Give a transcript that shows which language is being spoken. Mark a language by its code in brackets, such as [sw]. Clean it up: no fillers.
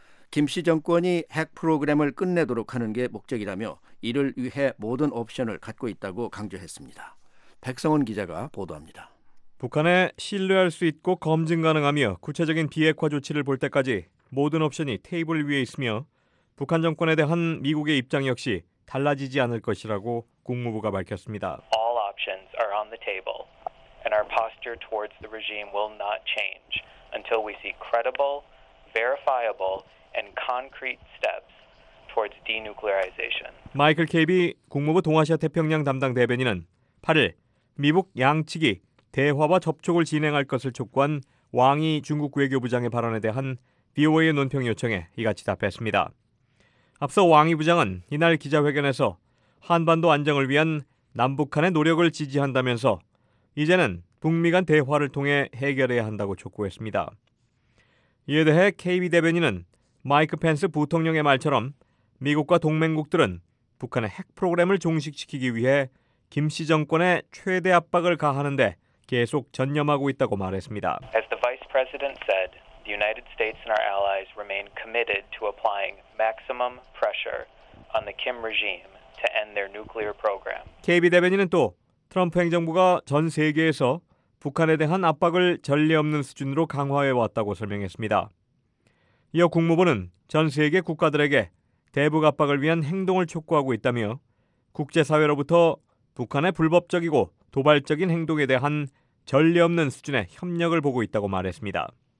[ko] 김씨 정권이 핵 프로그램을 끝내도록 하는 게 목적이라며 이를 위해 모든 옵션을 갖고 있다고 강조했습니다. 백성원 기자가 보도합니다. 북한에 신뢰할 수 있고 검증 가능하며 구체적인 비핵화 조치를 볼 때까지 모든 옵션이 테이블 위에 있으며 북한 정권에 대한 미국의 입장 역시 달라지지 않을 것이라고 국무부가 밝혔습니다. [en] All options are on the table and our posture towards the regime will not change until we see credible, verifiable and concrete steps towards denuclearization. [ko] 마이클 케이비 국무부 동아시아 태평양 담당 대변인은 8일 미국 양측이 대화와 접촉을 진행할 것을 촉구한 왕이 중국 외교부장의 발언에 대한 BOA의 논평 요청에 이같이 답했습니다. 앞서 왕이 부장은 이날 기자회견에서 한반도 안정을 위한 남북한의 노력을 지지한다면서 이제는 북미 간 대화를 통해 해결해야 한다고 촉구했습니다. 이에 대해 KB 대변인은 마이크 펜스 부통령의 말처럼 미국과 동맹국들은 북한의 핵 프로그램을 종식시키기 위해 김 씨 정권의 최대 압박을 가하는데 계속 전념하고 있다고 말했습니다. [en] As the Vice President said, the United States and our allies remain committed to applying maximum pressure on the Kim regime to end their nuclear program. [ko] KB 대변인은 또 트럼프 행정부가 전 세계에서 북한에 대한 압박을 전례 없는 수준으로 강화해 왔다고 설명했습니다. 이어 국무부는 전 세계 국가들에게 대북 압박을 위한 행동을 촉구하고 있다며 국제사회로부터 북한의 불법적이고 도발적인 행동에 대한 전례 없는 수준의 협력을 보고 있다고 말했습니다.